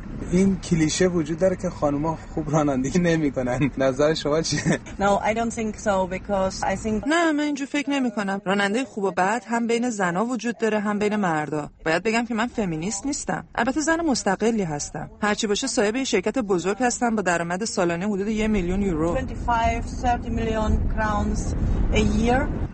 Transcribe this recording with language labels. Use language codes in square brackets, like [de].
[fa] این کلیشه وجود داره که خانوما خوب رانندگی نمیکنن. نظر شما چیه؟ [en] No, I don't think so because I think [fa] نه، من اینجور فکر نمیکنم. راننده خوب و بد هم بین زنا وجود داره هم بین مردا. باید بگم که من فمینیست نیستم. البته زن مستقلی هستم. هرچی باشه صاحب یه شرکت بزرگ هستم با درآمد سالانه حدود 1,000,000 یورو. [en] 25-30 million crowns a year.